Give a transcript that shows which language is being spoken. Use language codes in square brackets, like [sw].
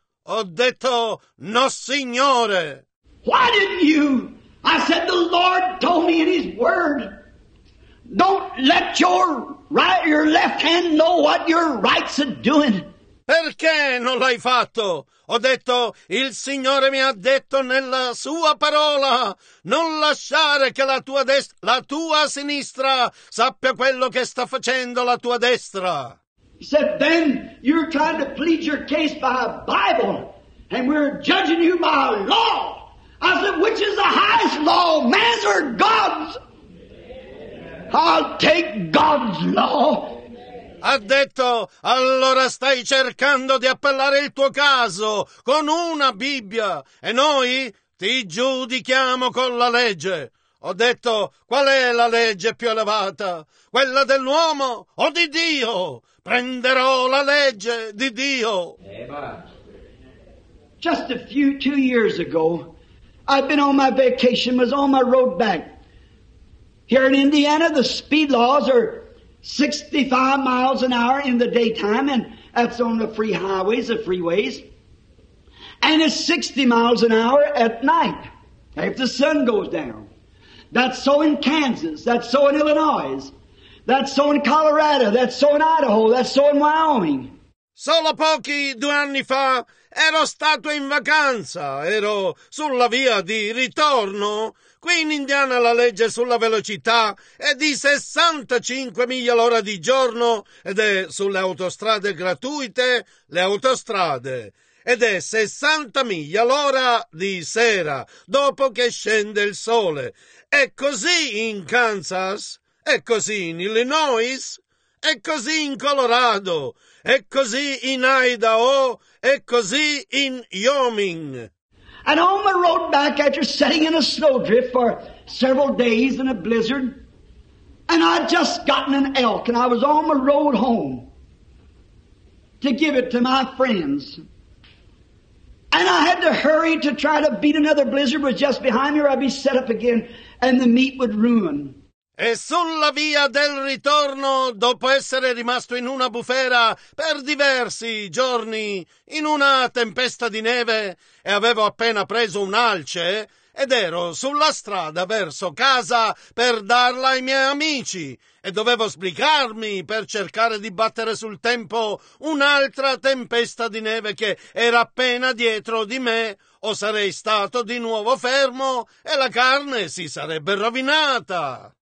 [it] Ho detto, no signore. [en] Why didn't you? I said, the Lord told me in his word. Don't let your right, your left hand know what your right's doing. [it] Perché non l'hai fatto? Ho detto, il Signore mi ha detto nella sua parola, non lasciare che la tua sinistra sappia quello che sta facendo la tua destra. [en] He said, then you're trying to plead your case by a Bible, and we're judging you by a law. I said, which is the highest law, man's or God's? I'll take God's law. [it] Ha detto, allora stai cercando di appellare il tuo caso con una Bibbia e noi ti giudichiamo con la legge. Ho detto, qual è la legge più elevata? Quella dell'uomo o di Dio? Prenderò la legge di Dio. [en] Just a few, 2 years ago, I've been on my vacation, was on my road back. Here in Indiana, the speed laws are 65 miles an hour in the daytime, and that's on the free highways, the freeways. And it's 60 miles an hour at night, if the sun goes down. That's so in Kansas, that's so in Illinois, that's so in Colorado, that's so in Idaho, that's so in Wyoming. [it] Solo pochi 2 anni fa ero stato in vacanza, ero sulla via di ritorno. Qui in Indiana la legge sulla velocità è di 65 miglia l'ora di giorno ed è sulle autostrade gratuite, le autostrade. Ed è 60 miglia l'ora di sera, dopo che scende il sole. È così in Kansas, è così in Illinois, è così in Colorado, è così in Idaho, è così in Wyoming. [en] And on the road back after sitting in a snowdrift for several days in a blizzard, and I'd just gotten an elk, and I was on the road home to give it to my friends. And I had to hurry to try to beat another blizzard, was just behind me, or I'd be set up again, and the meat would ruin. [it] E sulla via del ritorno, dopo essere rimasto in una bufera per diversi giorni, in una tempesta di neve, e avevo appena preso un alce, ed ero sulla strada verso casa per darla ai miei amici, e dovevo sbrigarmi per cercare di battere sul tempo un'altra tempesta di neve che era appena dietro di me, o sarei stato di nuovo fermo e la carne si sarebbe rovinata.